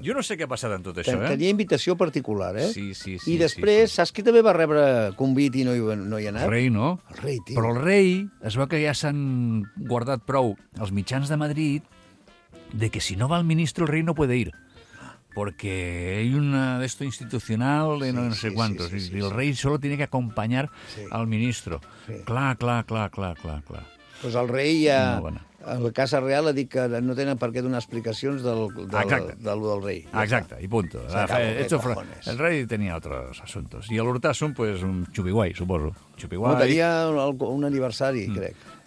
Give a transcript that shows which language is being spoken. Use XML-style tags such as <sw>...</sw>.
<ca>Jo no sé què ha passat amb tot això, Tenia invitació particular, Sí. I després, saps qui també va rebre convit i no hi ha anat? El rei, no? El rei, tio. Però el rei, es veu que ja s'han guardat prou els mitjans de Madrid de que si no va el ministre, el rei</ca> <es>no puede ir. porque hay una de esto institucional de sí, no sé cuántos. Sí, sí, sí, y el rey solo tiene que acompañar al ministro.</es> <ca>Clar. Pues el rei ja, la Casa Real ha dit que no tenen per què donar explicacions del rei. Ja. Exacte, i punto. El rei tenia altres assumptes. I l'Urtasun, pues, un xupiguai, suposo. Xupiguai. Notaria un aniversari, crec.</ca>